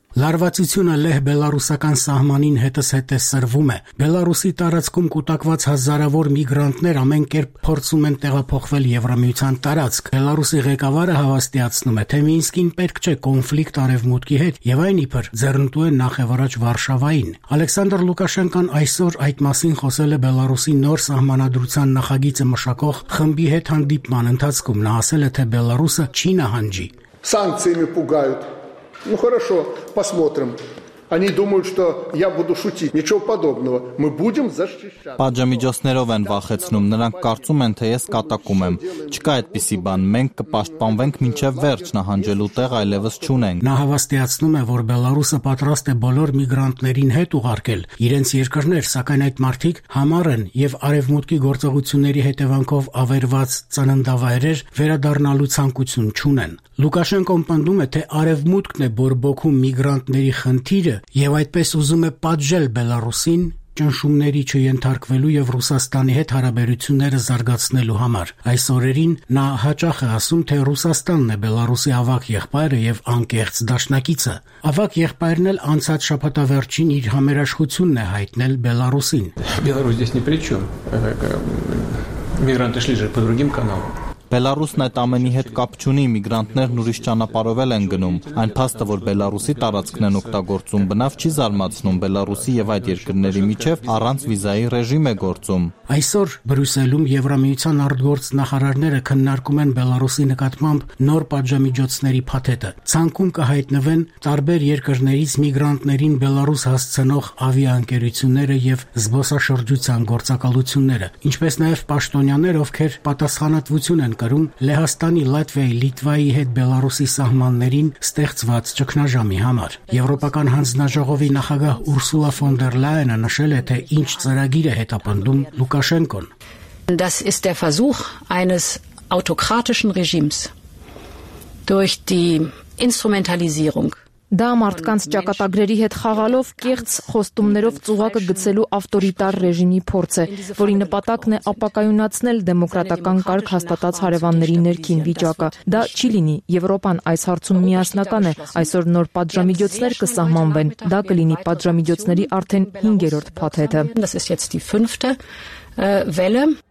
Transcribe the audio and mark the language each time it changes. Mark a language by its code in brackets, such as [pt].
[hy] Լարվածությունը Լեհ-Բելարուսական սահմանին հետս-հետես սրվում է։ Բելարուսի տարածքում կուտակված հազարավոր միգրանտներ ամեն կերպ փորձում են տեղափոխվել Եվրամիության տարածք։ Բելարուսի ղեկավարը հավաստիացնում է, թե Մինսկին պետք չէ կոնֆլիկտ Արևմուտքի հետ, եւ այն իբր ձեռնտու է նախևառաջ Վարշավային։ Ալեքսանդր Լուկաշենկան այսօր այդ մասին խոսել է Բելարուսի նոր սահմանադրության նախագիծը մշակող խմբի հետ հանդիպման ընթացքում։ Նա ասել է, թե Բելարուսը չի նահանջի։ [ru] Սանկցիями пугают. Ну хорошо, посмотрим. Они думают, что я буду шутить. Ничего подобного. Мы будем защищать. [hy] Պատժամիջոցներով են վախեցնում, նրանք կարծում են, թե ես կատակում եմ։ Չկա այդպիսի բան, մենք կպաշտպանվենք մինչև վերջ, նահանջելու տեղ այլևս չունենք։ Նա հավաստիացնում է, որ Բելարուսը պատրաստ է բոլոր միգրանտներին հետ ուղարկել իրենց երկրներ, սակայն այդ մարդիկ համառ են եւ Արևմուտքի գործողությունների հետևանքով ավերված ծննդավայրեր վերադառնալու ցանկություն չունեն։ Լուկաշենկոն պնդում է, թե Արևմուտքն է բորբոքում միգրանտների խնդիրը եւ այդպես ուզում է պատժել Բելարուսին ճնշումների չընդարկվելու եւ Ռուսաստանի հետ հարաբերությունները զարգացնելու համար։ Այս օրերին նա հաճախ է ասում, թե Ռուսաստանն է Բելարուսի ավակ եղբայրը եւ անկեղծ դաշնակիցը։ Ավակ եղբայրն էլ անցած շաբաթավերջին իր համերաշխությունն է հայտնել Բելարուսին։ [ru] Բելարուսը здесь ни при чём. Мигранты шли же по другим каналам. [hy] Բելարուսն այդ ամենի հետ կապ չունի, միգրանտներն ուրիշ ճանապարհով են գնում։ Այն փաստը, որ Բելարուսի տարածքն են օգտագործում, բնավ չի զարմացնում, Բելարուսի եւ այդ երկրների միջև առանց վիզայի ռեժիմ է գործում։ Այսօր Բրյուսելում Եվրամիության արտգործ նախարարները քննարկում են Բելարուսի նկատմամբ նոր պատժամիջոցների փաթեթը։ Ցանկում կհայտնվեն տարբեր երկրներից միգրանտներին Բելարուս հասցնող ավիաընկերությունները եւ զբոսաշրջության գործակալությունները, ինչպես նաեւ պաշտոնյաներ, ովքեր պատասխանատվություն են կարում Լեհաստանի, Լատվիայի, Լիտվայի հետ Բելարուսի սահմաններին ստեղծված ճգնաժամի համար։ Եվրոպական հանձնաժողովի նախագահ Ուրսուլա ֆոն դեր Լայենը նշել է, թե ինչ ծրագիր է հետապնդում Լուկաշենկոն։ [de] Das ist der Versuch eines autokratischen Regimes durch die Instrumentalisierung. [hy] Դա մարդկանց ճակատագրերի հետ խաղալով կեղծ խոստումներով ծուղակը գցելու ավտորիտար ռեժիմի փորձ է, որի նպատակն է ապակայունացնել դեմոկրատական կարգ հաստատած հարևանների ներքին վիճակը։ Դա չի լինի, Եվրոպան այս հարցում միասնական է, այսօր նոր պատժամիջոցներ կսահմանվեն։ Դա կլինի պատժամիջոցների արդեն 5-րդ փաթեթը։